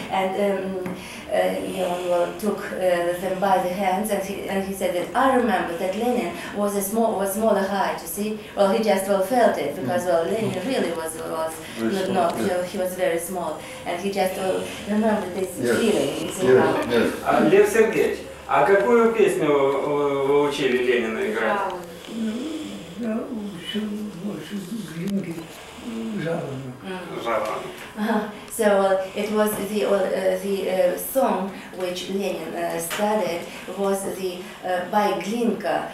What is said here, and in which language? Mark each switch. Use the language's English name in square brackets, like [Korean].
[English] And took them by the hands and he said that I remember that Lenin was smaller height. You see, well, he just felt it because Lenin really was small, not yeah. He was very small, and he just remembered this feeling. [Russian] Лев Сергеевич. А какую песню вы учили Ленина играть? Я учил больше гринги, жаворонок. [English] So it was the song which Lenin studied was the by Glinka.